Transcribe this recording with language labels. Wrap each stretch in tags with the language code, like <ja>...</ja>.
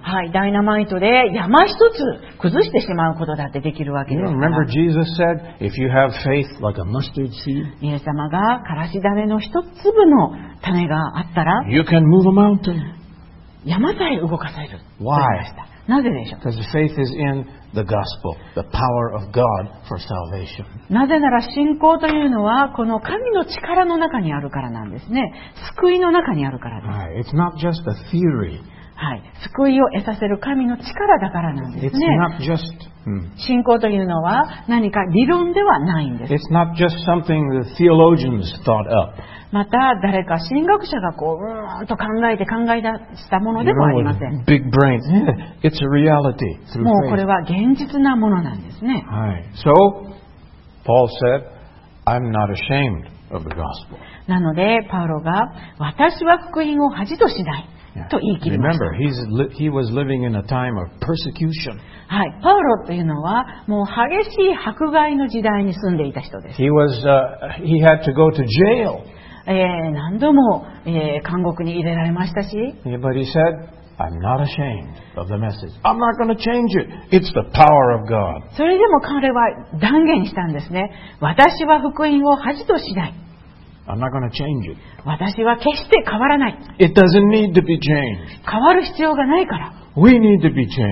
<ja>はい、ダイナマイトで山一つ崩してしまうことだってできるわけですから。</ja> <en>You remember Jesus said, if you have faith like a mustard seed,</en> <ja>イエス様がからし種の一粒の種があったら、</ja> <en>you can move a mountain.</en> <ja>山さえ動かせる。</ja> <en>Why?</en> <ja>なぜでしょう。</ja> <en>Because the faith is in the gospel, the power of God for salvation.</en> <ja>なぜなら信仰というのはこの神の力の中にあるからなんですね。救いの中にあるからです。</ja> <en>Right. It's not just a theory.</en> <ja>はい。救いを得させる神の力だからなんですね。</ja> <en>It's not just,</en> <ja>信仰というのは何か理論ではないんです。</ja> <en>It's not just something the theologians thought up.</en> <ja>また誰か神学者がこううーんと考え出したものでもありません。</ja> <en>Big brain. It's a reality.</en> <ja>もうこれは現実なものなんですね。はい。</ja> <en>So, Paul said, I'm not ashamed of the gospel.</en> <ja>なので、パウロが、私は福音を恥としない。と言い切りました。</ja> <en>Remember, he was living in a time of persecution.</en> <ja>はい、パウロというのはもう激しい迫害の時代に住んでいた人です。</ja> <en>He had to go to jail.</en> <ja>何度も、監獄に入れられましたし。</ja> <en>Yeah, but he said, I'm not ashamed of the message. I'm not going to change it. It's the power of God.</en> <ja>それでも彼は断言したんですね。私は福音を恥としない。</ja> <en>I'm not going to change it.</en> <ja>私は決して変わらない。</ja> <en>It doesn't need to be changed.</en> <ja>変わる必要がないから。</ja> <en>We need to be changed.</en>